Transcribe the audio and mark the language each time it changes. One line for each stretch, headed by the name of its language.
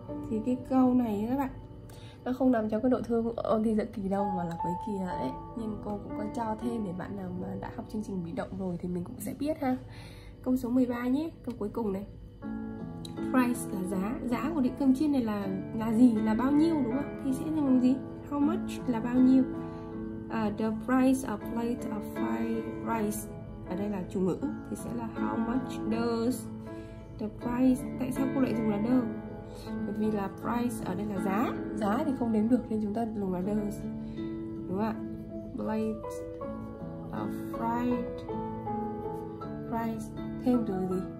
Vietnamese: Thì cái câu này các bạn, nó không nằm trong cái độ thương ôn thi dự kỳ đâu, mà là cuối kỳ đấy. Nhưng cô cũng có cho thêm để bạn nào mà đã học chương trình bị động rồi thì mình cũng sẽ biết ha. Câu số 13 nhé, câu cuối cùng này. Price là giá. Giá của đĩa cơm chiên này là gì? Là bao nhiêu đúng không? Thì sẽ là gì?
English: How much
Vietnamese: là bao nhiêu?
English: The price of plate of fried rice.
Vietnamese: Ở đây là chủ ngữ thì sẽ là
English: how much does the price.
Vietnamese: Tại sao cô lại dùng là does? Bởi vì là price ở đây là giá. Giá thì không đếm được nên chúng ta dùng là does. Đúng không ạ?
English: Plate of fried rice.
Vietnamese: Thêm từ gì?